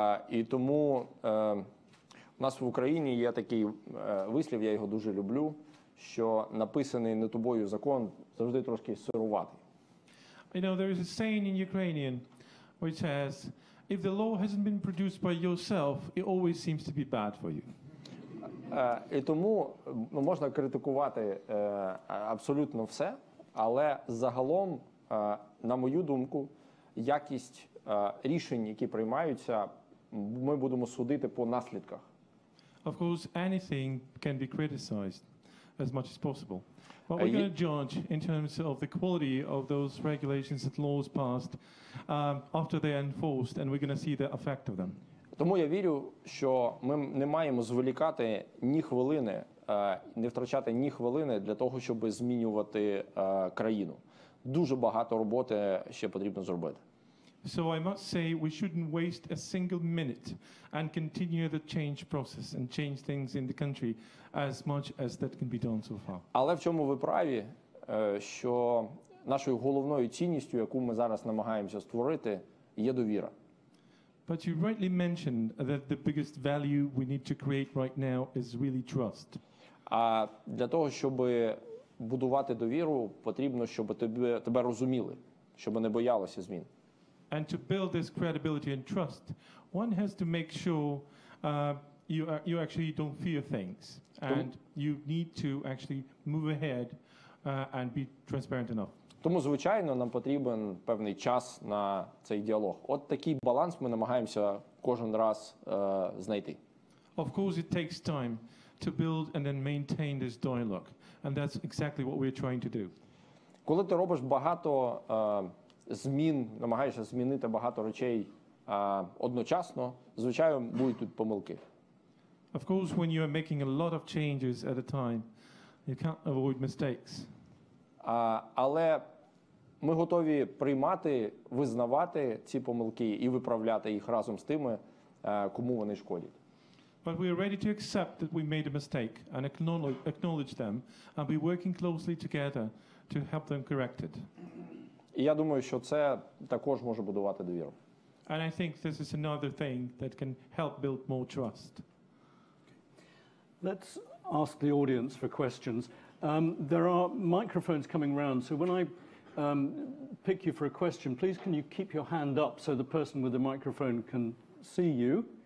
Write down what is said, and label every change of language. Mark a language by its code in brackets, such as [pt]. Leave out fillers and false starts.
[uk] І тому у нас в Україні є такий вислів, я його дуже люблю, що написаний не тобою закон завжди трошки сируватий. [en] You know, there is a saying in Ukrainian which says, if the law hasn't been produced by yourself, it always seems to be bad for you. [uk] І тому можна критикувати абсолютно все, але загалом, на мою думку, якість рішень, які приймаються, ми будемо судити по наслідках. [en] Of course, anything can be criticized as much as possible. But we're going to judge in terms of the quality of those regulations and laws passed after they're enforced, and we're going to see the effect of them. [uk] Тому я вірю, що ми не маємо зволікати ні хвилини, не втрачати ні хвилини для того, щоб змінювати країну. Дуже багато роботи ще потрібно зробити. [en] So I must say we shouldn't waste a single minute and continue the change process and change things in the country as much as that can be done so far. [uk] Але в чому ви праві, що нашою головною цінністю, яку ми зараз намагаємося створити, є довіра. [en] But you rightly mentioned that the biggest value we need to create right now is really trust. [uk] А для того, щоб будувати довіру, потрібно, щоб тебе розуміли, щоб не боялися змін. [en] And to build this credibility and trust, one has to make sure you actually don't fear things. And you need to actually move ahead and be transparent enough. [uk] Тому, звичайно, нам потрібен певний час на цей діалог. От такий баланс ми намагаємося кожен раз знайти. [en] Of course, it takes time to build and then maintain this dialogue. And that's exactly what we're trying to do. [uk] Коли ти робиш багато змін, намагаєшся змінити багато речей одночасно, звичайно, будуть тут помилки. [en] Of course, when you are making a lot of changes at a time, you can't avoid mistakes. [uk] Але ми готові приймати, визнавати ці помилки і виправляти їх разом з тими, кому вони шкодять. [en] But we are ready to accept that we made a mistake and acknowledge them and be working closely together to help them correct it. [uk] І я думаю, що це також може будувати довіру. [en] And I think this is another thing that can help build more trust. Let's ask the audience for questions. There are microphones coming round, so when I pick you for a question, please can you keep your hand up so the person with the microphone can see you.